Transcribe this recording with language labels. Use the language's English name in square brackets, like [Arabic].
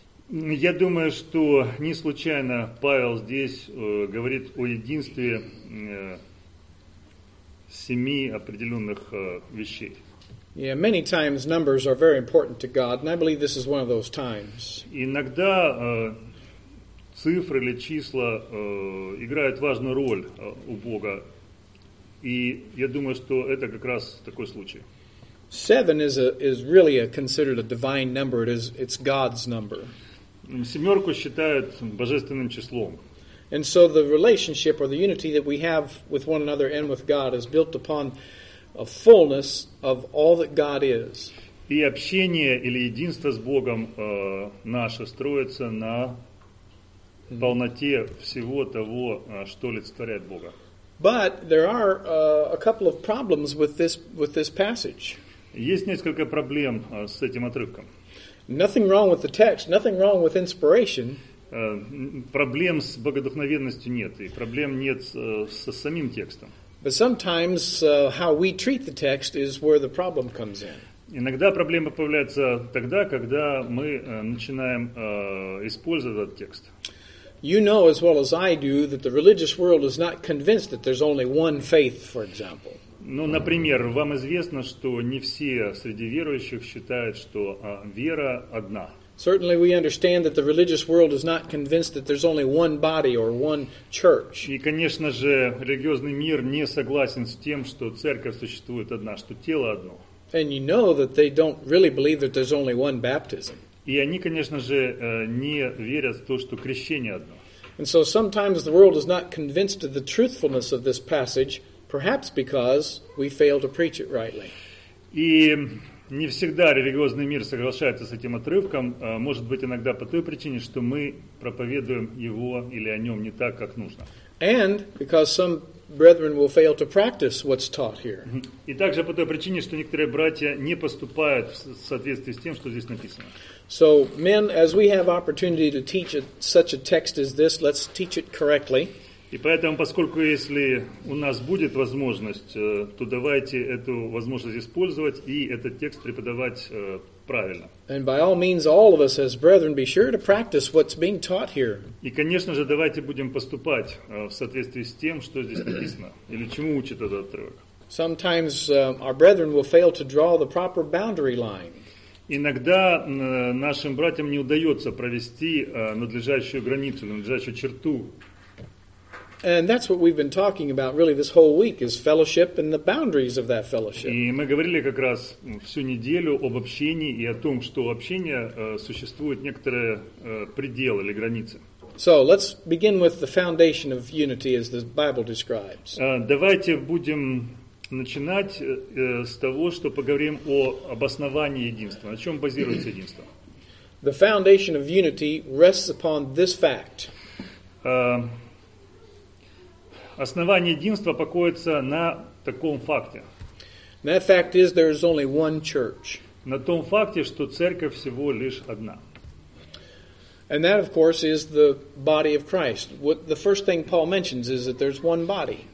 [Russian] Я думаю, что не случайно Павел здесь говорит о единстве семи определенных вещей. [English] Yeah, many times numbers are very important to God, and I believe this is one of those times. [Russian] Иногда цифры или числа играют важную роль у Бога, И я думаю, что это как раз такой случай. [English] Seven is a, is really a considered a divine number. It is, it's God's number. [Russian] Семерку считают божественным числом. [English] And so the relationship or the unity that we have with one another and with God is built upon a fullness of all that God is. [Russian] И общение или единство с Богом наше строится на полноте всего того, что олицетворяет Бога. [English] But there are a couple of problems with this passage. [Russian] Есть несколько проблем с этим отрывком. [English] Nothing wrong with the text, nothing wrong with inspiration. [Russian] Проблем с богодухновенностью нет, и проблем нет со самим текстом. [English] But sometimes how we treat the text is where the problem comes in. [Russian] Иногда проблема появляется тогда, когда мы начинаем использовать этот текст. [English] You know as well as I do that the religious world is not convinced that there's only one faith, for example. [Russian] Ну, например, вам известно, что не все среди верующих считают, что вера одна. [English] Certainly we understand that the religious world is not convinced that there's only one body or one church. [Russian] И, конечно же, религиозный мир не согласен с тем, что церковь существует одна, что тело одно. [English] And you know that they don't really believe that there's only one baptism. [Russian] И они, конечно же, не верят в то, что крещение одно. [English] And so sometimes the world is not convinced of the truthfulness of this passage, perhaps because we fail to preach it rightly. [Russian] И не всегда религиозный мир соглашается с этим отрывком, может быть, иногда по той причине, что мы проповедуем его или о нем не так, как нужно. [English] And because some brethren will fail to practice what's taught here. [Russian] И также по той причине, что некоторые братья не поступают в соответствии с тем, что здесь написано. [English] So, men, as we have opportunity to teach such a text as this, let's teach it correctly. [Russian] И поэтому, поскольку если у нас будет возможность, то давайте эту возможность использовать и этот текст преподавать правильно. [English] And by all means, all of us as brethren, be sure to practice what's being taught here. [Russian] И, конечно же, давайте будем поступать в соответствии с тем, что здесь написано, или чему учит этот отрывок. [English] Sometimes our brethren will fail to draw the proper boundary line. [Russian] Иногда нашим братьям не удается провести надлежащую границу, надлежащую черту. [English] And that's what we've been talking about really this whole week is fellowship and the boundaries of that fellowship. [Russian] И мы говорили как раз всю неделю об общении и о том, что общение существует некоторые пределы или границы. [English] So let's begin with the foundation of unity as the Bible describes. [Russian] Давайте будем начинать с того, что поговорим о обосновании единства. На чем базируется единство? [English] The foundation of unity rests upon this fact. [Russian] Основание единства покоится на таком факте. [English] That fact is there is only one church. [Russian] На том факте, что церковь всего лишь одна. [English] And that, of course, is the body of Christ. What the first thing Paul mentions is that there's one body.